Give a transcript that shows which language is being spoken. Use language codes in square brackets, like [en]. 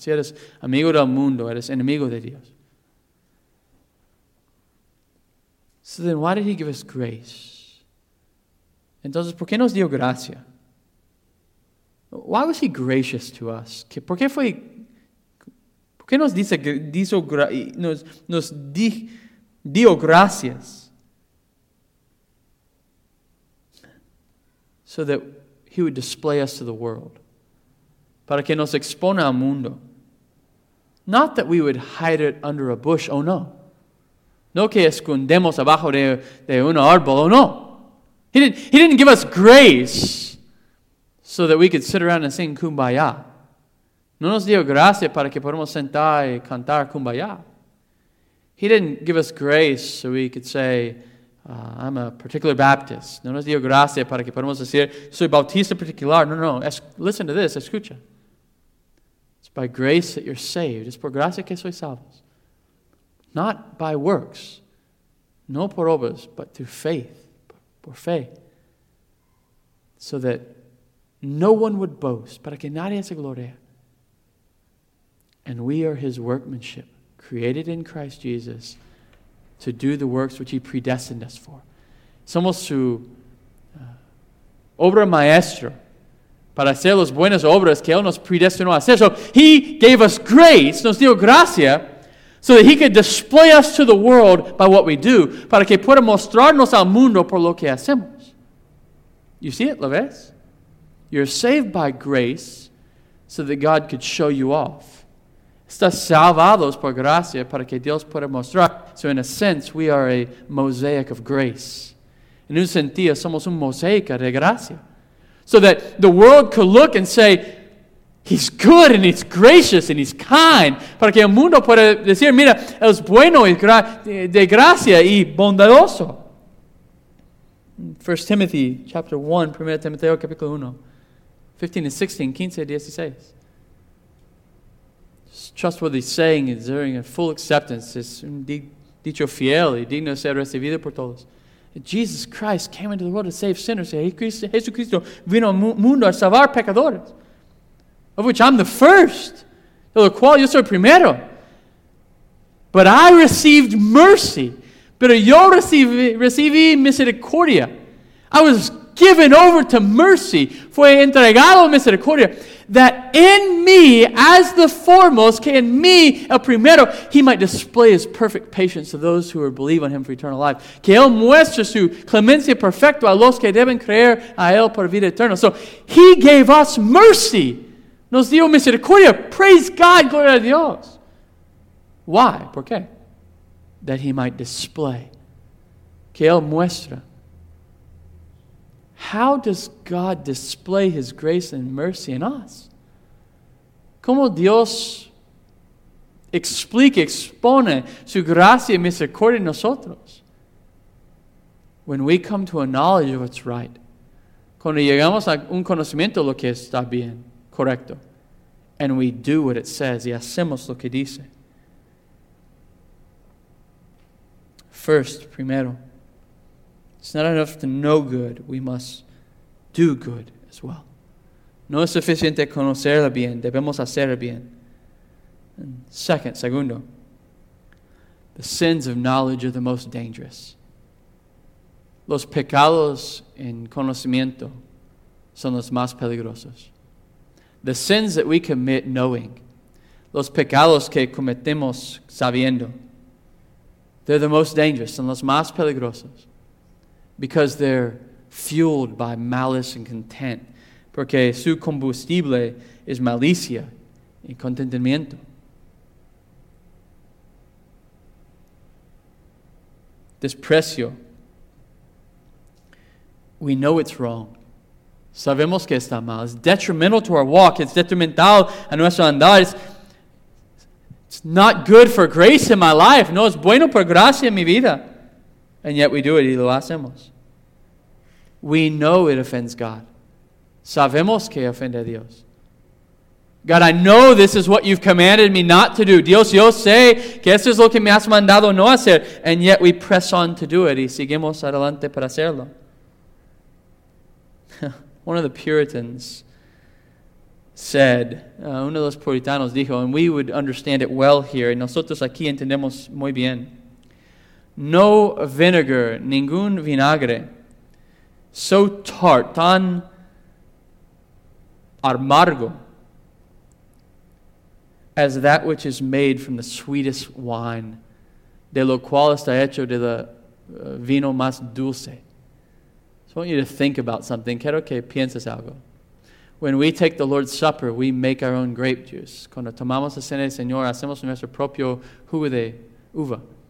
[es] Si eres amigo del mundo, eres enemigo de Dios. [en] So then why did he give us grace? [es] Entonces, ¿por qué nos dio gracia? [en] Why was he gracious to us? [es] ¿Por qué fue? ¿Por qué nos dice, dio gracias? [en] So that he would display us to the world. [es] Para que nos expone al mundo. [en] Not that we would hide it under a bush, oh no. [es] No que escondemos abajo de un árbol, oh no. [en] He didn't give us grace so that we could sit around and sing Kumbaya. [es] No nos dio gracia para que podamos sentar y cantar Kumbaya. [en] He didn't give us grace so we could say, I'm a particular Baptist. [es] No nos dio gracia para que podamos decir, soy Bautista particular. [en] No, no, listen to this, [es] escucha. [en] It's by grace that you're saved. [es] Es por gracia que soy salvos. [en] Not by works. [es] No por obras, [en] but through faith. [es] Por fe. [en] So that no one would boast. [es] Para que nadie se gloria. [en] And we are his workmanship, created in Christ Jesus to do the works which he predestined us for. [es] Somos su obra maestra para hacer las buenas obras que él nos predestinó a hacer. [en] So he gave us grace, [es] nos dio gracia, [en] so that he could display us to the world by what we do, [es] para que pueda mostrarnos al mundo por lo que hacemos. [en] You see it, [es] ¿lo ves? [en] You're saved by grace so that God could show you off. [es] Estás salvados por gracia para que Dios pueda mostrar. [en] So in a sense, we are a mosaic of grace. [es] En un sentido, somos un mosaico de gracia. [en] So that the world could look and say, he's good and he's gracious and he's kind. [es] Para que el mundo pueda decir, mira, es bueno y de gracia y bondadoso. [en] 1 Timothy chapter 1, [es] 1 Timoteo capítulo 1, [en] 15 and 16, 15 and 16. Trustworthy saying is during a full acceptance. [es] Es un dicho fiel y digno de ser recibido por todos. [en] Jesus Christ came into the world to save sinners. [es] Jesucristo vino al mundo a salvar pecadores. [en] Of which I'm the first. [es] De lo cual yo soy primero. [en] But I received mercy. [es] Pero yo recibí misericordia. [en] I was given over to mercy. [es] Fue entregado misericordia. [en] That in me, as the foremost, [es] que en mí, el primero, [en] he might display his perfect patience to those who believe on him for eternal life. [es] Que él muestre su clemencia perfecta a los que deben creer a él por vida eterna. [en] So, he gave us mercy. [es] Nos dio misericordia. [en] Praise God, [es] gloria a Dios. [en] Why? [es] ¿Por qué? [en] That he might display. [es] Que él muestre. [en] How does God display his grace and mercy in us? [es] ¿Cómo Dios explica, expone su gracia y misericordia en nosotros? [en] When we come to a knowledge of what's right. [es] Cuando llegamos a un conocimiento de lo que está bien, correcto. [en] And we do what it says. [es] Y hacemos lo que dice. [en] First, [es] primero. [en] It's not enough to know good. We must do good as well. [es] No es suficiente conocer el bien. Debemos hacer el bien. [en] And [es] segundo. [en] The sins of knowledge are the most dangerous. [es] Los pecados en conocimiento son los más peligrosos. [en] The sins that we commit knowing. [es] Los pecados que cometemos sabiendo. [en] They're the most dangerous. [es] Son los más peligrosos. [en] Because they're fueled by malice and contempt. [es] porque su combustible es malicia y contentamiento. Desprecio. [en] We know it's wrong. [es] Sabemos que está mal. [en] It's detrimental to our walk. It's detrimental [es] a nuestro andar. [en] It's not good for grace in my life. [es] No es bueno por gracia en mi vida. [en] And yet we do it [es] y lo hacemos. [en] We know it offends God. [es] Sabemos que ofende a Dios. [en] God, I know this is what you've commanded me not to do. [es] Dios, yo sé que esto es lo que me has mandado no hacer. [en] And yet we press on to do it [es] y seguimos adelante para hacerlo. [en] One of the Puritans said, [es] uno de los puritanos dijo, [en] and we would understand it well here, [es] y nosotros aquí entendemos muy bien. [en] No vinegar, [es] ningún vinagre, [en] so tart, [es] tan amargo, [en] as that which is made from the sweetest wine, [es] de lo cual está hecho de la vino más dulce. [en] So I want you to think about something. [es] Quiero que pienses algo. [en] When we take the Lord's Supper, we make our own grape juice. [es] Cuando tomamos la cena del Señor, hacemos nuestro propio jugo de uva.